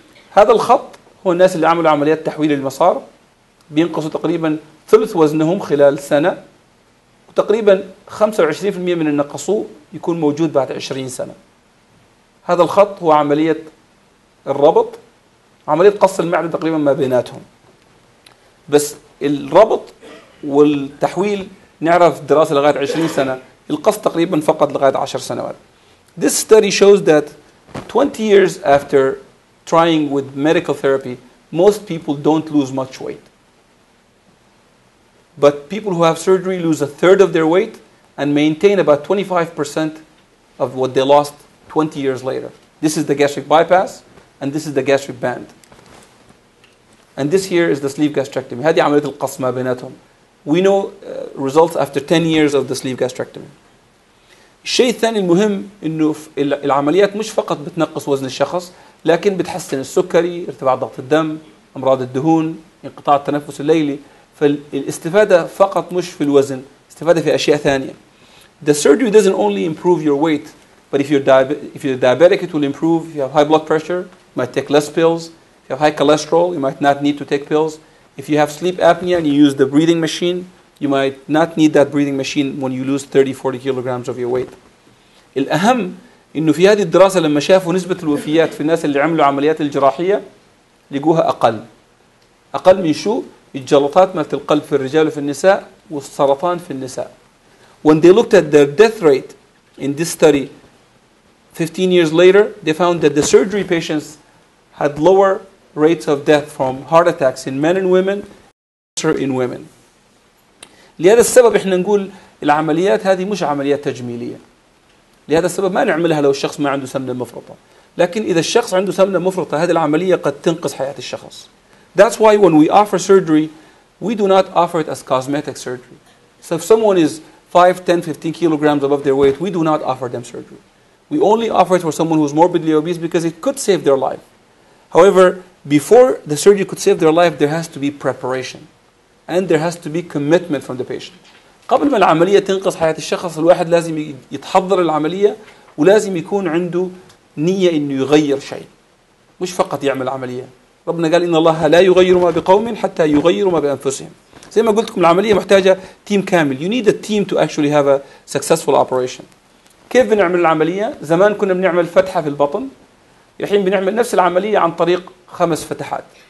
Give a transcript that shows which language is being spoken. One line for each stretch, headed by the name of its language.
Arabic: هذا الخط هو الناس اللي عملوا عمليات تحويل المسار، بينقصوا تقريبا ثلث وزنهم خلال سنة، وتقريبا 25% من النقصوا يكون موجود بعد 20 سنة. هذا الخط هو عملية الربط، عملية قص المعدة تقريبا ما بيناتهم. بس الربط والتحويل نعرف دراسة لغاية 20 سنة، القص تقريبا فقط لغاية 10 سنوات.
English: This study shows that 20 years after trying with medical therapy, most people don't lose much weight. But people who have surgery lose a third of their weight and maintain about 25% of what they lost 20 years later. This is the gastric bypass and this is the gastric band. And this here is the sleeve gastrectomy.
Arabic: هذه عملية القص ما بيناتهم.
English: We know results after 10 years of the sleeve gastrectomy.
Arabic: الشيء الثاني المهم إنه العمليات مش فقط بتنقص وزن الشخص، لكن بتحسن السكري، ارتفاع ضغط الدم، أمراض الدهون، انقطاع التنفس الليلي. فالاستفادة فقط مش في الوزن، استفادة في أشياء ثانية.
English: The surgery doesn't only improve your weight, but if you're diabetic, it will improve. If you have high blood pressure, you might take less pills. If you have high cholesterol, you might not need to take pills. If you have sleep apnea and you use the breathing machine, you might not need that breathing machine when you lose 30, 40 kilograms of your weight.
Arabic: الأهم إنه في هذه الدراسة لما شافوا نسبة الوفيات في الناس اللي عملوا عمليات الجراحية لقوها أقل. أقل من شو؟ الجلطات مالت القلب في الرجال وفي النساء والسرطان في النساء. When they looked at their death rate in this study 15 years later, they found that the surgery patients had lower rates of death from heart attacks in men and women, cancer in women. لهذا السبب إحنا نقول العمليات هذه مش عمليات تجميلية. لهذا السبب ما نعملها لو الشخص ما عنده سمنة مفرطة. لكن إذا الشخص عنده سمنة مفرطة هذه العملية قد تنقذ حياة الشخص.
English: That's why when we offer surgery, we do not offer it as cosmetic surgery. So if someone is 5, 10, 15 kilograms above their weight, we do not offer them surgery. We only offer it for someone who is morbidly obese because it could save their life. However, before the surgery could save their life, there has to be preparation. And there has to be commitment from the patient.
Arabic: قبل ما العملية تنقص حياة الشخص الواحد لازم يتحضر العملية ولازم يكون عنده نية إنه يغير شيء مش فقط يعمل عملية ربنا قال إن الله لا يغير ما بقوم حتى يغير ما بأنفسهم زي ما قلت لكم العملية محتاجة تيم كامل
English: You need a team to actually have a successful operation
Arabic: كيف بنعمل العملية؟ زمان كنا بنعمل فتحة في البطن الحين بنعمل نفس العملية عن طريق خمس فتحات